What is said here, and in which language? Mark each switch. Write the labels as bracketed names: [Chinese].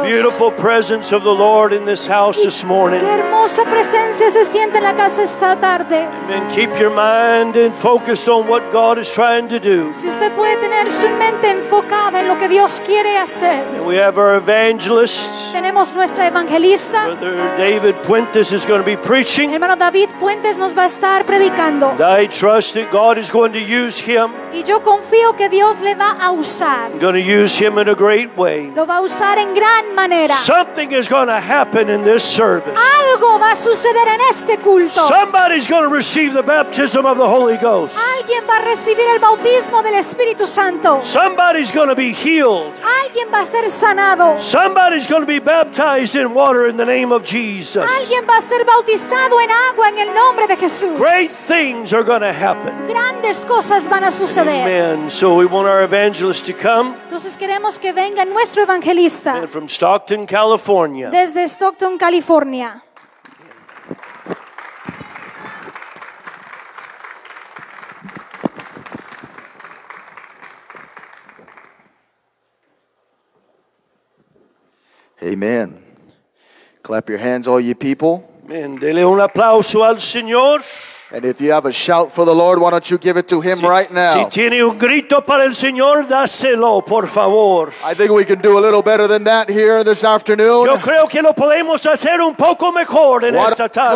[English] What a beautiful presence of the Lord in this house this morning. [Spanish] Qué hermosa presencia se siente en la casa esta tarde. [English] Amen. Keep your mind and focused on what God is trying to do. [Spanish] Si usted puede tener su mente enfocada en lo que Dios quiere hacer. [English] And we have our evangelist. [Spanish] Tenemos nuestra evangelista. [English] Brother David Puentes is going to be preaching. [Spanish] Hermano David Puentes nos va a estar predicando. [English] And I trust that God is going to use him. [Spanish] Y yo confío que Dios le va a usar. [English] I'm going to use him in a great way. [Spanish] Lo va a usar en gran manera. [English] Something is going to happen in this service. [Spanish] Algo va a suceder en este culto. [English] Somebody's going to receive the baptism of the Holy Ghost. [Spanish] Alguien va a recibir el bautismo del Espíritu Santo. [English] Somebody's going to be healed. [Spanish] Alguien va a ser sanado. [English] Somebody's going to be baptized in water in the name of Jesus. [Spanish] Alguien va a ser bautizado en agua en el nombre de Jesús. [English] Great things are going to happen. [Spanish] Grandes cosas van a suceder. [English] Amen. So we want our evangelist to come. [Spanish] Entonces queremos que venga nuestro evangelista. [English] And from Stockton, California. [Spanish] Desde Stockton, California. [English] Amen. Clap your hands, all you people. [Spanish] Amen. Dele un aplauso al Señor. [English] And if you have a shout for the Lord, why don't you give it to Him right now? [Spanish] Si tiene un grito para el Señor, dáselo, por favor. [English] I think we can do a little better than that here this afternoon. [Spanish] Yo creo que lo podemos hacer un poco mejor en esta tarde.